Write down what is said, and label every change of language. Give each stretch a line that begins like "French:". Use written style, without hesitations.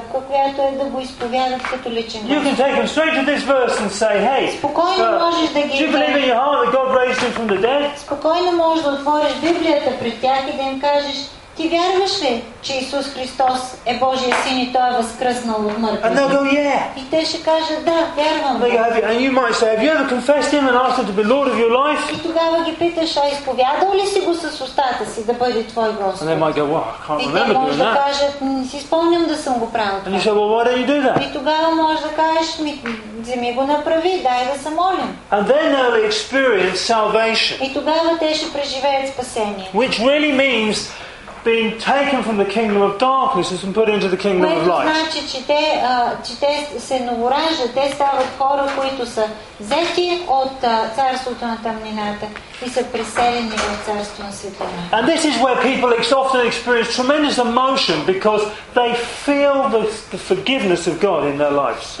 English: You can take them straight to this verse and say, hey, do you believe in your heart that God raised Him from the dead?
Bulgarian: Спокойно можеш да отвориш Библията пред тях и да им кажеш, ти вярваш ли, че Исус Христос е Божия Син и Той е възкръснал от мъртвите? И те ще кажат, да, вярвам.
English: And you might say, have you ever confessed Him and asked Him to be Lord of your life?
Bulgarian: И тогава ги питаш, а изповядал ли си го с устата си да бъде твой Господ?
English: And they might go, well, I can't remember doing that.
Bulgarian: И те може да кажат, не си спомням да съм го правил.
English: And you say, well, why don't you do that?
Bulgarian: И тогава може да кажеш, вземи го направи, дай да се молим.
English: And then they'll experience salvation.
Bulgarian: И тогава те ще преживеят спасение.
English: Which really means being taken from the kingdom of darkness and put into the kingdom of light.
Bulgarian: Което значи, че те, те се новораждат, те стават хора, които са взети от царството на тъмнината и са преселени в царството на светлината.
English: And this is where people often experience tremendous emotion because they feel the forgiveness of God in their lives.